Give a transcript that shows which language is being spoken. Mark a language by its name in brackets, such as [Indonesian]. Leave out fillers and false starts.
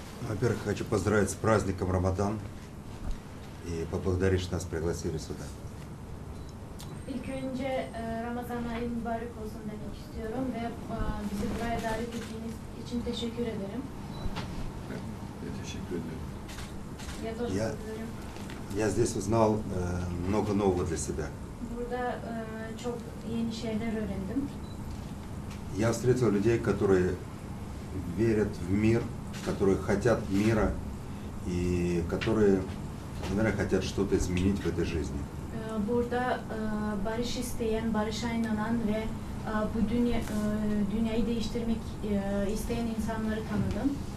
[Russian] Во-первых, хочу поздравить с праздником Рамадан и поблагодарить, что нас пригласили сюда. [Turkish] İlk önce Ramazan ayın mübarek olsun demek istiyorum ve bizi buraya davet ettiğiniz için teşekkür ederim. Ben teşekkür ederim. [Russian] Я здесь узнал много нового для себя. [Turkish] Burada çok yeni şeyler öğrendim. [Russian] Я встретил людей, которые верят в мир, которые хотят мира и которые, наверное, хотят что-то изменить в этой жизни. [Turkish] Burada barış isteyen, barışa inanan ve bu dünyayı değiştirmek isteyen insanları tanıdım.